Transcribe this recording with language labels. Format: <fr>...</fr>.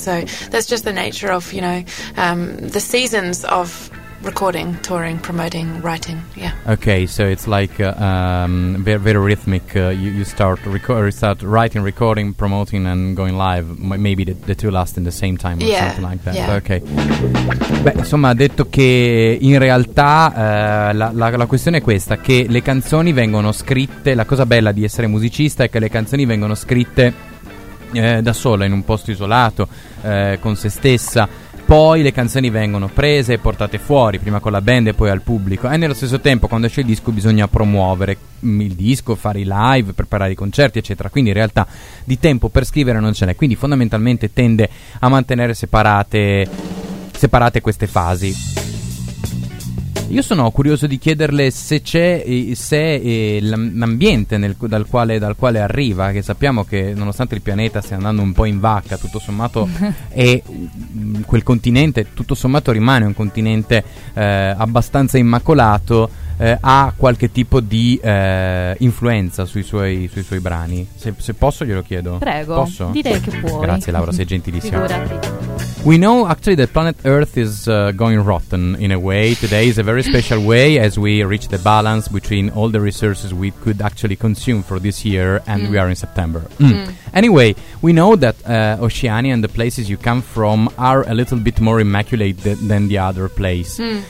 <en>So that's just the nature of, you know, the seasons of recording, touring, promoting, writing. Yeah. Okay, so it's like very, very rhythmic. You start writing, recording, promoting, and going live. Maybe the two last in the same time or something like that. Yeah. Okay.</en> <it>Beh, insomma, ha detto che in realtà la questione è questa, che le canzoni vengono scritte, la cosa bella di essere musicista è che le canzoni vengono scritte da sola, in un posto isolato, con se stessa. Poi le canzoni vengono prese e portate fuori, prima con la band e poi al pubblico. E nello stesso tempo, quando esce il disco, bisogna promuovere il disco, fare i live, preparare i concerti, eccetera. Quindi in realtà di tempo per scrivere non ce n'è. Quindi fondamentalmente tende a mantenere separate queste fasi. Io sono curioso di chiederle se l'ambiente dal quale arriva, che sappiamo che nonostante il pianeta stia andando un po' in vacca, tutto sommato è quel continente, tutto sommato rimane un continente abbastanza immacolato, ha qualche tipo di influenza sui suoi brani. Se posso glielo chiedo. Prego. Posso? Direi che puoi. Grazie Laura, sei gentilissima. Figurati.</it> <en>We know actually that planet Earth is going rotten in a way. Today is a very special way, as we reach the balance between all the resources we could actually consume for this year, and we are in September. Mm. Anyway, we know that Oceania and the places you come from are a little bit more immaculate than the other place. Mm.</en>